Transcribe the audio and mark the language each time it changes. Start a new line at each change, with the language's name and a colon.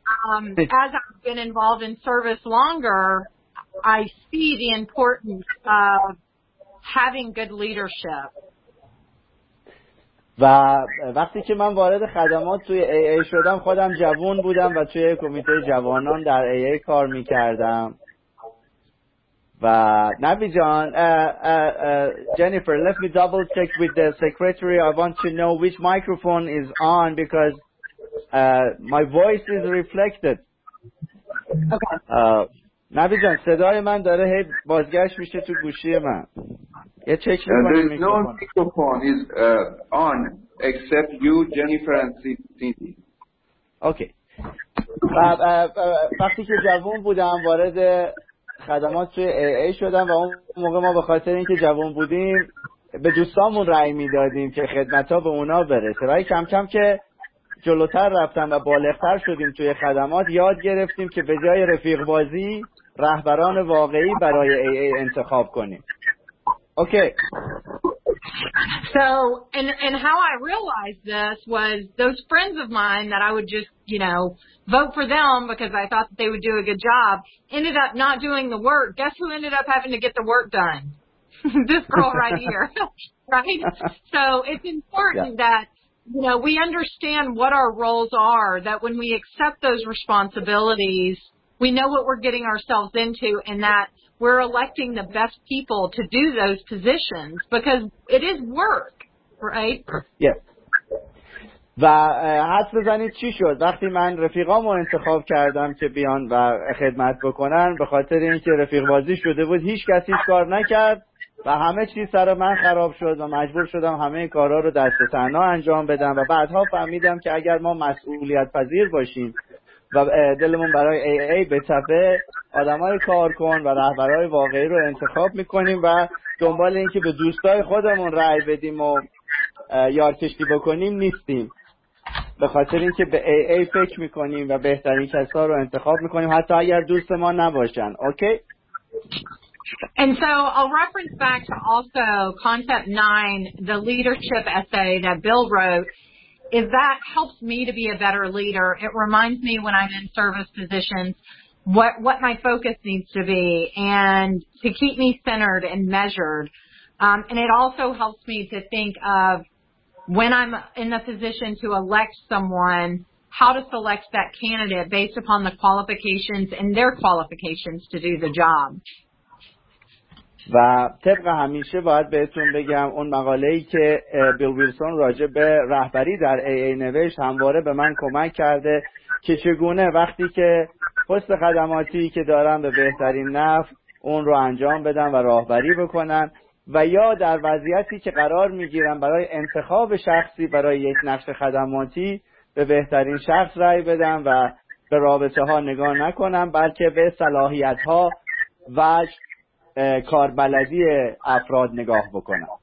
English: And, as I've been involved in service longer, I see the importance of having good leadership.
Persian: و وقتی که من وارد خدمات توی AA شدم، خودم جوان بودم و توی کمیته جوانان در AA کار میکردم. و نبی جان،
English: Jennifer, let me double check with the secretary. I want to know which microphone is on because my voice is reflected.
Persian: نبی جان، صدای من داره هی بازگشت میشه تو گوشی من.
English: There is no microphone is on except you, Jennifer, and Cindy. Okay.
Persian: و وقتی که جوان بودم وارد خدمات توی AA شدم و اون موقع ما به خاطر اینکه جوان بودیم به دوستامون رأی میدادیم که خدمت‌ها به اونا برسه. ولی کم کم که جلوتر رفتم و بالغتر شدیم توی خدمات، یاد گرفتیم که به جای رفیق بازی رهبران واقعی برای AA انتخاب کنیم.
English: Okay. So, and how I realized this was those friends of mine that I would just, you know, vote for them because I thought that they would do a good job, ended up not doing the work. Guess who ended up having to get the work done? This girl right here, right? So it's important that, you know, we understand what our roles are, that when we accept those responsibilities, we know what we're getting ourselves into, and that we're electing the best people to do those positions because it is work, right? Yes.
Persian: و حد بزنید چی شد؟ وقتی من رفیقامو انتخاب کردم که بیان و خدمت بکنن، به خاطر اینکه رفیق بازی شده بود، هیچ کسی کار نکرد و همه چیز سر من خراب شد و مجبور شدم همه کارها رو دست تنها انجام بدم. و بعدها فهمیدم که اگر ما مسئولیت پذیر باشیم و دلمون برای AA بتپه، آدمای کارکن و رهبرای واقعی رو انتخاب میکنیم و دنبال اینکه به دوستای خودمون رأی بدیم و یارکشی بکنیم نیستیم، به خاطر اینکه به AA فکر میکنیم و بهترین کسا رو انتخاب میکنیم حتی اگر دوست ما نباشن. اوکی.
English: And so I'll reference back to also concept 9, the leadership essay that Bill wrote. If that helps me to be a better leader, it reminds me when I'm in service positions what my focus needs to be and to keep me centered and measured. And it also helps me to think of when I'm in the position to elect someone, how to select that candidate based upon the qualifications and their qualifications to do the job.
Persian: و طبق همیشه باید بهتون بگم اون مقاله‌ای که بیل ویلسون راجع به رهبری در AA نوشت همواره به من کمک کرده که چگونه وقتی که پست خدماتی که دارم به بهترین نفع اون رو انجام بدم و رهبری بکنم، و یا در وضعیتی که قرار میگیرم برای انتخاب شخصی برای یک نقش خدماتی به بهترین شخص رأی بدم و به رابطه ها نگاه نکنم بلکه به صلاحیت ها و کاربلدی افراد نگاه بکنم.